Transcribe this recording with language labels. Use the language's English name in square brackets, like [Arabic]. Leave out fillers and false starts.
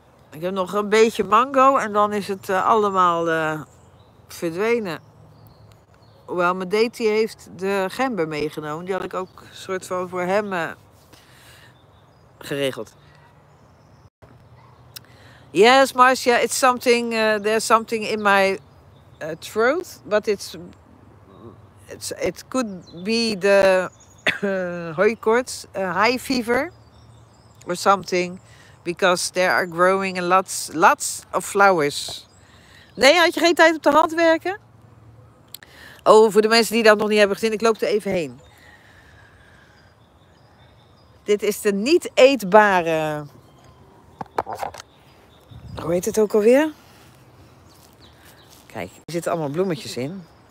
[Dutch] Ik heb nog een beetje mango en dan is het allemaal verdwenen. Hoewel mijn date heeft de gember meegenomen. Die had ik ook een soort van voor hem geregeld. [English] Yes, Marcia, it's something. There's something in my throat. But it could be the hooikoorts, high fever or something. Because there are growing lots of flowers. [Dutch] Nee, had je geen tijd op de hand werken? Oh, voor de mensen die dat nog niet hebben gezien, ik loop er even heen. Dit is de niet eetbare. Hoe heet het ook alweer? Kijk, er zitten allemaal bloemetjes in.